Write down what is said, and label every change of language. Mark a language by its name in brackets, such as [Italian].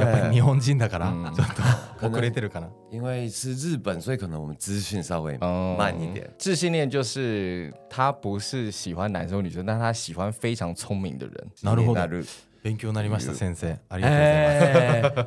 [Japanese] 耶。やっぱり日本人だから、ちょっと遅れてるかな。 [Chinese] 因为是日本，所以可能我们资讯稍微慢一点。自信恋就是他不是喜欢男生女生，但他喜欢非常聪明的人。 [Japanese] なるほど。勉強になりました先生。ありがとうございます。